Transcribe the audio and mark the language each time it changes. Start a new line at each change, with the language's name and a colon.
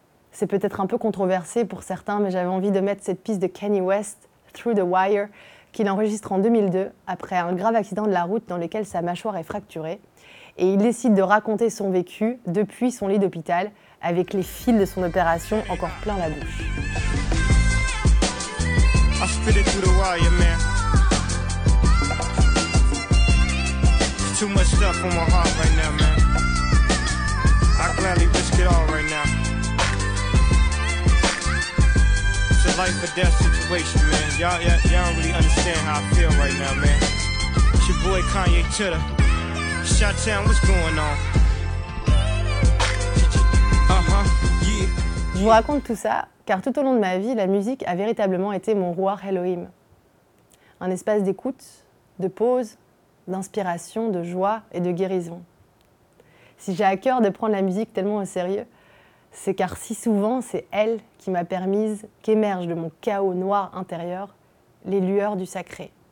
French: C'est peut-être un peu controversé pour certains, mais j'avais envie de mettre cette piste de Kanye West, Through the Wire, qu'il enregistre en 2002 après un grave accident de la route dans lequel sa mâchoire est fracturée. Et il décide de raconter son vécu depuis son lit d'hôpital avec les fils de son opération encore plein la bouche.
English: I spit it through the wire, man. Too much stuff on my heart right now, man. I gladly risk it all right now. It's a life or death situation, man. Y'all don't really understand how I feel right now, man. It's your boy Kanye Titter. Shutdown, what's going on? Uh-huh, yeah.
French: Je vous raconte tout ça, car tout au long de ma vie, la musique a véritablement été mon Ruach Elohim. Un espace d'écoute, de pause, d'inspiration, de joie et de guérison. Si j'ai à cœur de prendre la musique tellement au sérieux, c'est car si souvent, c'est elle qui m'a permise qu'émergent de mon chaos noir intérieur les lueurs du sacré.